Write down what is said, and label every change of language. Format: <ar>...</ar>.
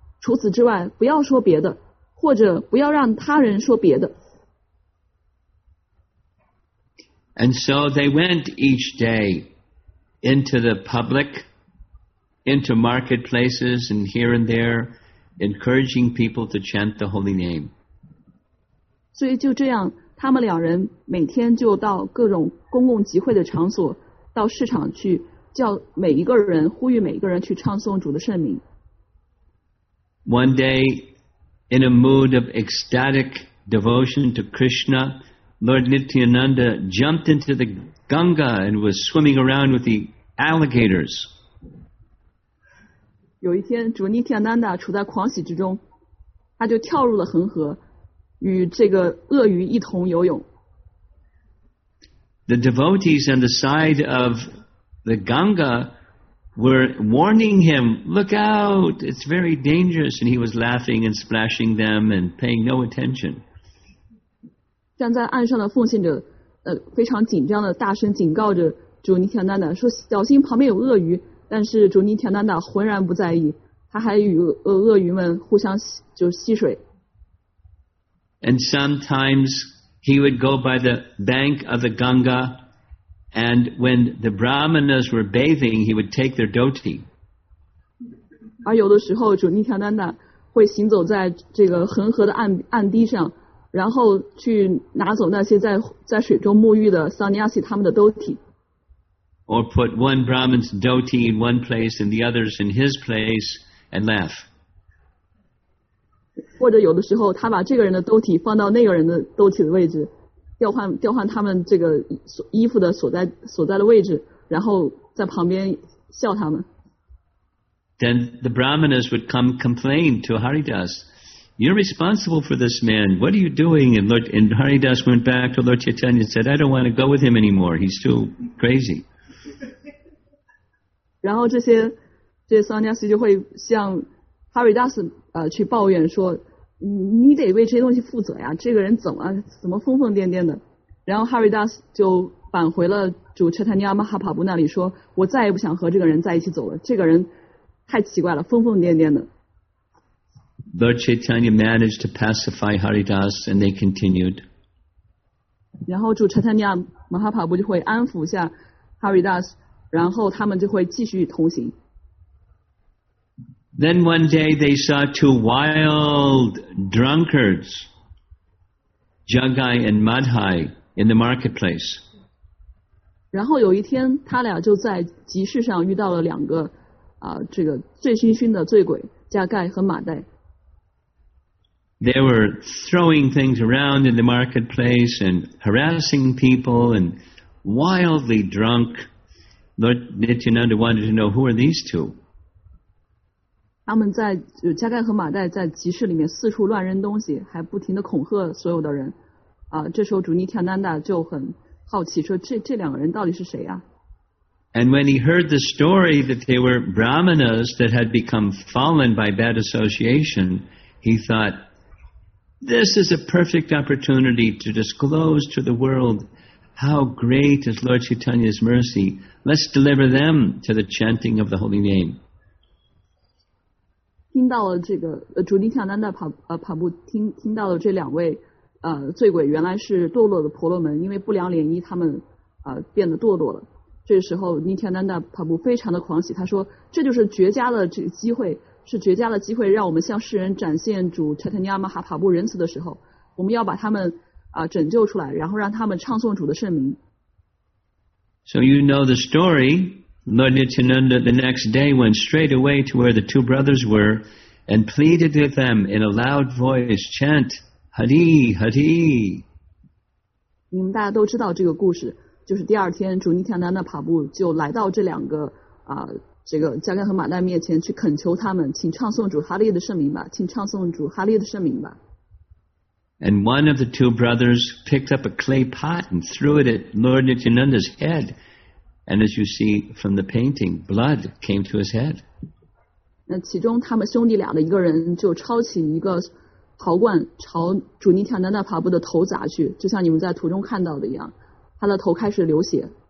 <zh>除此之外，不要说别的，或者不要让他人说别的。</zh> <en>And so they went each day into the public, into marketplaces, and here and there, encouraging people to chant the holy name.</en> <zh>所以就这样，他们两人每天就到各种公共集会的场所，到市场去叫每一个人，呼吁每一个人去唱诵主的圣名。</zh> <en>One day, in a mood of ecstatic devotion to Krishna, Lord Nityananda jumped into the Ganga and was swimming around with the alligators.</en> <zh>有一天，主 Nityananda 处在狂喜之中，他就跳入了恒河，与这个鳄鱼一同游泳。</zh> <en>The devotees on the side of the Ganga were warning him, look out, it's very dangerous, and he was laughing and splashing them and paying no attention.</en> <zh>站在岸上的奉献者非常紧张的大声警告着主尼田丹丹，说小心旁边有鳄鱼，但是主尼田丹丹浑然不在意，他还与鳄鱼们互相就吸水。</zh> <en>And sometimes he would go by the bank of the Ganga, and when the brahmanas were bathing, he would take their dhoti.</en> <zh>而有的时候，主尼卡丹达会行走在这个恒河的岸堤上，然后去拿走那些在水中沐浴的桑尼亚西他们的 dhoti.</zh> <en>Or put one brahman's dhoti in one place and the others in his place and laugh.</en> <zh>或者有的时候，他把这个人的 dhoti 放到那个人的 dhoti 的位置。调换他们这个衣服的所在的位置，然后在旁边笑他们。</zh> <en>Then the brahmanas would come complain to Haridas, "You're responsible for this man. What are you doing?" And Haridas went back to Lord Chaitanya and said, "I don't want to go with him anymore. He's too crazy."</en> <zh>然后这些桑尼亚斯就会向 Haridas 去抱怨说，你得为这些东西负责呀，这个人怎么疯疯癫癫的。然后 Haridas 就返回了主 Chaitanya Mahaprabhu 那里，说我再也不想和这个人在一起走了，这个人太奇怪了，疯疯癫癫的。</zh> <en>Lord Chaitanya managed to pacify Haridas and they continued.</en> <zh>然后主 Chaitanya Mahaprabhu 就会安抚下 Haridas， 然后他们就会继续同行。</zh> <en>Then one day they saw two wild drunkards, Jagai and Madhai, in the marketplace.</en> <zh>然后有一天，他俩就在集市上遇到了两个这个醉醺醺的醉鬼，加盖和马代。</zh> <en>They were throwing things around in the marketplace and harassing people and wildly drunk. Lord Nityananda wanted to know, who are these two?</en> <zh>他们在加盖和马代在集市里面四处乱扔东西，还不停地恐吓所有的人。这时候主尼卡丹达就很好奇，说这两个人到底是谁啊？</zh> <en>And when he heard the story that they were brahmanas that had become fallen by bad association, he thought, this is a perfect opportunity to disclose to the world how great is Lord Chaitanya's mercy. Let's deliver them to the chanting of the holy name.</en> <zh>听到了这个主尼卡丹达帕布听到了这两位醉鬼原来是堕落的婆罗门，因为不良涟漪他们变得堕落了。这时候尼提亚丹达帕布非常的狂喜，他说这就是绝佳的这个机会，是绝佳的机会让我们向世人展现主查坦尼亚马哈帕布仁慈的时候，我们要把他们拯救出来，然后让他们唱颂主的圣名。</zh> <en>So you know the story. Lord Nityananda the next day went straight away to where the two brothers were and pleaded with them in a loud voice, chant, Hari, Hari.</en> <zh>你们大家都知道这个故事，就是第二天主尼提亚南达帕布就来到这两个这个加甘和马代面前去恳求他们，请唱颂主哈利的圣名吧，请唱颂主哈利的圣名吧。</zh> <en>And one of the two brothers picked up a clay pot and threw it at Lord Nityananda's head. And as you see from the painting, blood came to his head.</en> <zh>那其中他们兄弟俩的一个人就抄起一个陶罐朝主尼提亚南达帕布的头砸去，就像你们在图中看到的一样，他的头开始流血。</zh>